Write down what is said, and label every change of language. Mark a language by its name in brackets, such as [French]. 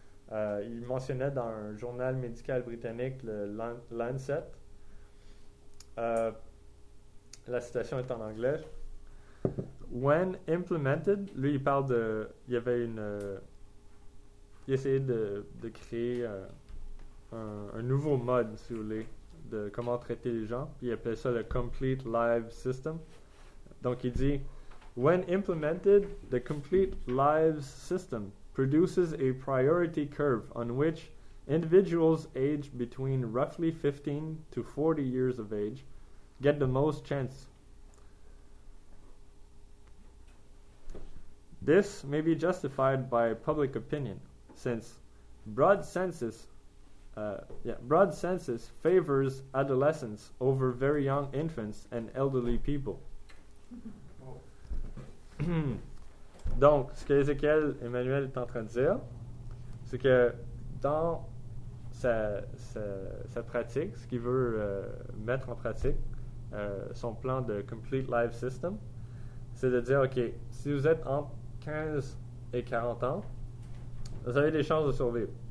[French] Il mentionnait dans un journal médical britannique, le Lancet, la citation est en anglais. [English] When implemented, [French] lui il parle de, il y avait une, il essayait de créer un nouveau mode, si vous voulez, de comment traiter les gens. Puis il appelait ça le Complete Live System. Donc il dit, [English] when implemented, the Complete Live System produces a priority curve on which individuals aged between roughly 15 to 40 years of age get the most chance. This may be justified by public opinion, since broad census favors adolescents over very young infants and elderly people. [French] Donc, ce que Ezekiel Emmanuel est en train de dire, c'est que dans sa pratique, ce qu'il veut mettre en pratique, son plan de Complete Life System, c'est de dire, OK, si vous êtes entre 15 et 40 ans, vous avez des chances de survivre.